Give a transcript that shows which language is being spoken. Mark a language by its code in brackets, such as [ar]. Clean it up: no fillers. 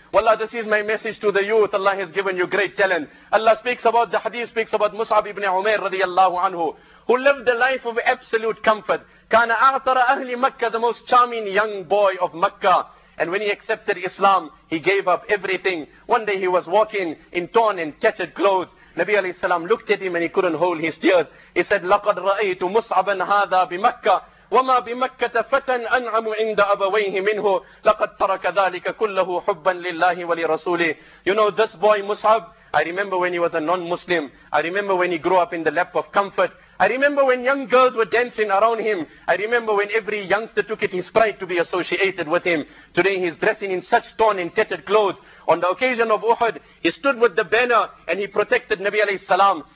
[en] Wallah, this is my message to the youth. Allah has given you great talent. Allah speaks about, the hadith speaks about Mus'ab ibn Umair radiallahu anhu, who lived the life of absolute comfort. [ar] Kana a'tara ahli Makkah, [en] the most charming young boy of Makkah. And when he accepted Islam, he gave up everything. One day he was walking in torn and tattered clothes. Nabi alayhi salam looked at him and he couldn't hold his tears. He said, [ar] لَقَدْ رَأَيْتُ مُصْعَبًا هَذَا بِمَكَّةِ وَمَا بِمَكَّةَ فَتًا أَنْعَمُ عِنْدَ أَبَوَيْهِ مِنْهُ لَقَدْ تَرَكَ ذَلِكَ كُلَّهُ حُبًّا لِلَّهِ وَلِرَسُولِهِ. [en] You know this boy Mus'ab? I remember when he was a non-Muslim. I remember when he grew up in the lap of comfort. I remember when young girls were dancing around him. I remember when every youngster took it his pride to be associated with him. Today he's dressing in such torn and tattered clothes. On the occasion of Uhud, he stood with the banner and he protected Nabi alayhi salam.